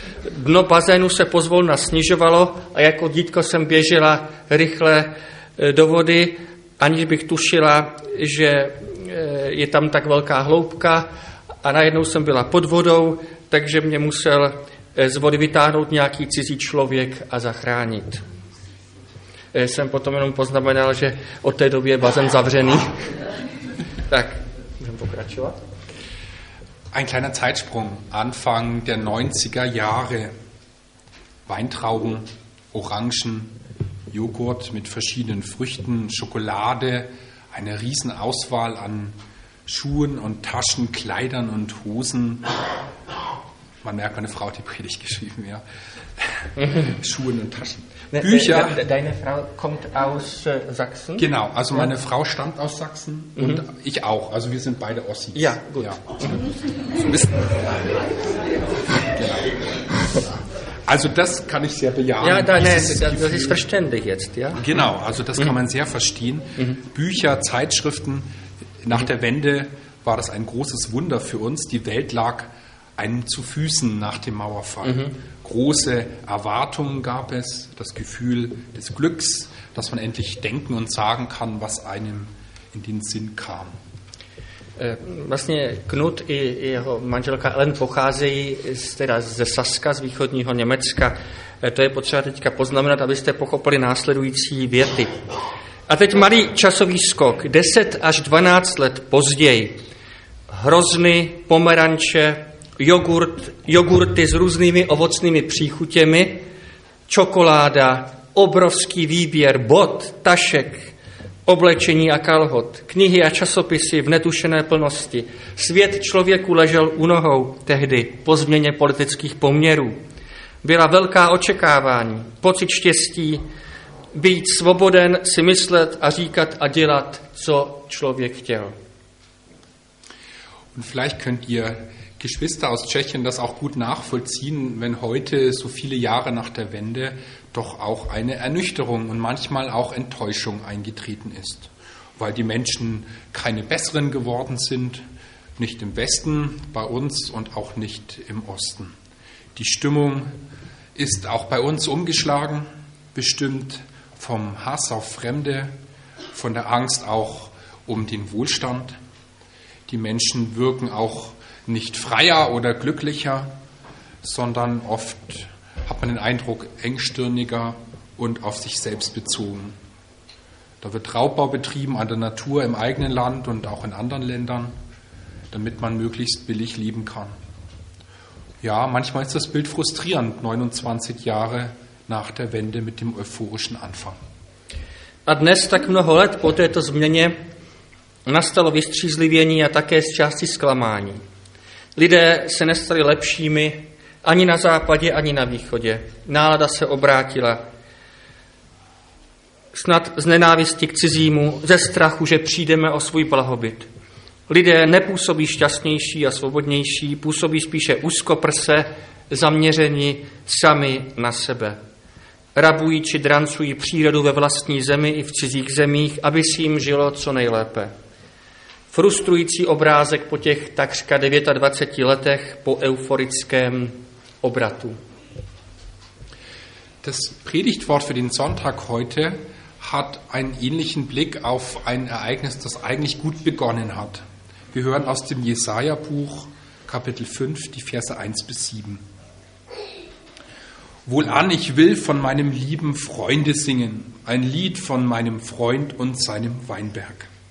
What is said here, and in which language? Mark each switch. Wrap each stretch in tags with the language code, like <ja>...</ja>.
<cs>Dno bazénu se pozvolna snižovalo a jako dítko jsem běžela rychle do vody, aniž bych tušila, že je tam tak velká hloubka a najednou jsem byla pod vodou, takže mě musel z vody vytáhnout nějaký cizí člověk a zachránit. Jsem potom jenom poznamenal, že od té doby je bazén zavřený. Tak, můžeme pokračovat.</cs> <de>Ein kleiner Zeitsprung, Anfang der 90er Jahre. Weintrauben, Orangen, Joghurt mit verschiedenen Früchten, Schokolade, eine Riesenauswahl an Schuhen und Taschen, Kleidern und Hosen. Man merkt, meine Frau hat die Predigt geschrieben, ja. Schuhen und Taschen. Bücher. Deine Frau kommt aus Sachsen? Genau, also meine Frau stammt aus Sachsen und ich auch. Also wir sind beide Ossis. Ja, gut. Ja. Genau. Also das kann ich sehr bejahen. Ja, das ist verständlich jetzt, ja. Genau, also das kann man sehr verstehen. Mhm. Bücher, Zeitschriften, nach der Wende war das ein großes Wunder für uns. Die Welt lag einem zu Füßen nach dem Mauerfall. Mhm. Große Erwartungen gab es, das Gefühl des Glücks, dass man endlich denken und sagen kann, was einem in den Sinn kam.</de> <cs>Vlastně Knut i jeho manželka Ellen pocházejí ze Saska, z východního Německa. To je potřeba teďka poznamenat, abyste pochopili následující věty. A teď malý časový skok. 10 až 12 let později. Hrozny, pomeranče, jogurty s různými ovocnými příchutěmi, čokoláda, obrovský výběr, bot, tašek, oblečení a kalhot, knihy a časopisy v netušené plnosti. Svět člověku ležel u nohou tehdy po změně politických poměrů. Byla velká očekávání, pocit štěstí, být svoboden si myslet a říkat a dělat, co člověk chtěl.</cs> <de>Und vielleicht könnt ihr Geschwister aus Tschechien das auch gut nachvollziehen, wenn heute so viele Jahre nach der Wende doch auch eine Ernüchterung und manchmal auch Enttäuschung eingetreten ist, weil die Menschen keine besseren geworden sind, nicht im Westen bei uns und auch nicht im Osten. Die Stimmung ist auch bei uns umgeschlagen, bestimmt vom Hass auf Fremde, von der Angst auch um den Wohlstand. Die Menschen wirken auch nicht freier oder glücklicher, sondern oft hat man den Eindruck engstirniger und auf sich selbst bezogen. Da wird Raubbau betrieben an der Natur im eigenen Land und auch in anderen Ländern, damit man möglichst billig leben kann. Ja, manchmal ist das Bild frustrierend, 29 Jahre nach der Wende mit dem euphorischen Anfang.</de> <cs>A dnes, tak mnoho let po této změně, nastalo vystřízlivění a také z části zklamání. Lidé se nestali lepšími ani na západě, ani na východě. Nálada se obrátila snad z nenávisti k cizímu, ze strachu, že přijdeme o svůj blahobyt. Lidé nepůsobí šťastnější a svobodnější, působí spíše úzkoprse, zaměřeni sami na sebe. Rabují či drancují přírodu ve vlastní zemi i v cizích zemích, aby si jim žilo co nejlépe. Frustrující obrázek po těch takřka 29 letech po euforickém obratu.</cs> <de>Das Predigtwort für den Sonntag heute hat einen ähnlichen Blick auf ein Ereignis, das eigentlich gut begonnen hat. Wir hören aus dem Jesaja-Buch, Kapitel 5, die Verse 1 bis 7. Wohlan, ich will von meinem lieben Freunde singen, ein Lied von meinem Freund und seinem Weinberg.</de>